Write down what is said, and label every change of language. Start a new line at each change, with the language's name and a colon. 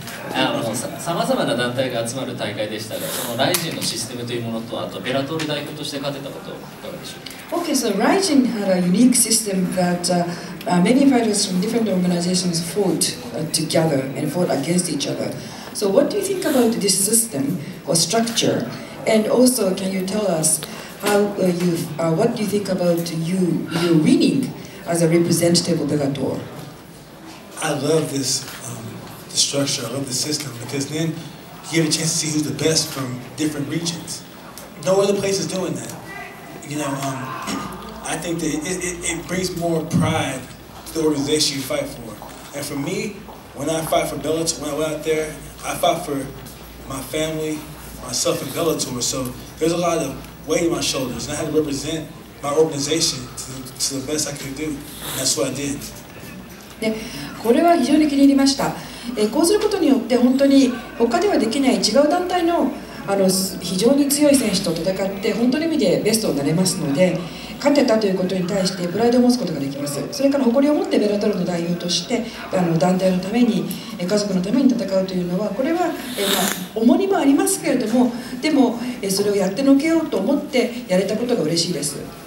Japanese: 様々な団体が集まる大会でしたが、そのライジンのシステムというものと、あとベラトル代表として勝てたことはいかがでしょうか。
English: Okay, so Ryzen had a unique system that many fighters from different organizations fought together and fought against each other. So what do you think about this system or structure? And also, can you tell us how you, what do you think about you, your winning as a representative of Bellator? I love this. The structure, I love the system, because then you get a chance to see who's the best from different regions. No other place is doing that. You know, I think that it brings more pride to the organization you fight for. And for me, when I fight for Bellator, when I went out there, I fought for my family, myself, and Bellator. So there's a lot of weight on my shoulders, and I had to represent my organization to the best I could do. And that's what I did.
Japanese: これは非常に気に入りました。こうすることによって本当に他ではできない違う団体 の非常に強い選手と戦って、本当の意味でベストになれますので、勝てたということに対してプライドを持つことができます。それから誇りを持ってベラトルの代表として、あの団体のために、家族のために戦うというのは、これは、まあ、重荷もありますけれども、でも、それをやってのけようと思ってやれたことが嬉しいです。